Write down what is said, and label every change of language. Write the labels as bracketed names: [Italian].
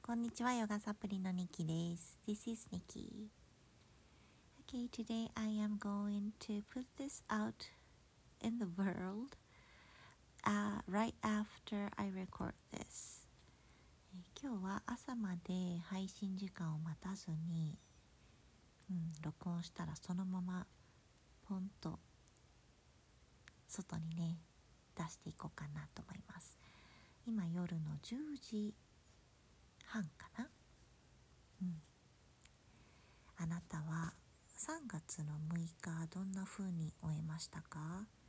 [Japanese] こんにちは、ヨガサプリのニキです。 [English] This is Nikki. Okay, today I am going to put this out in the world, right after I record this. [Japanese] 今日は朝まで配信時間を待たずに、録音したらそのままポンと外にね、出していこうかなと思います。今夜の10時半かな、あなたは3月の6日どんな風に終えましたか？